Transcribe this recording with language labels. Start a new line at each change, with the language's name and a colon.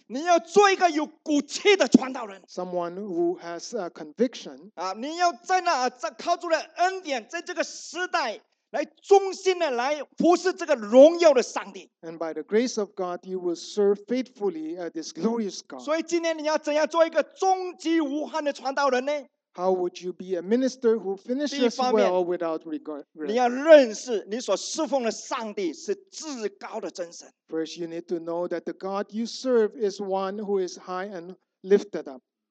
Chinese: 你要做一个有骨气的传道人。
English: Someone who has a conviction.
Chinese: 你要在那靠住了恩典，在这个时代来忠心的来服侍这个荣耀的上帝。
English: And by the grace of God, you will serve faithfully this glorious God.
Chinese: 所以今天你要怎样做一个终极无憾的传道人呢？
English: How would you be a minister who finishes well without regret?
Chinese: 你要认识你所侍奉的上帝是至高的真神。
English: First, you need to know that the God you serve is one who is high and lifted up.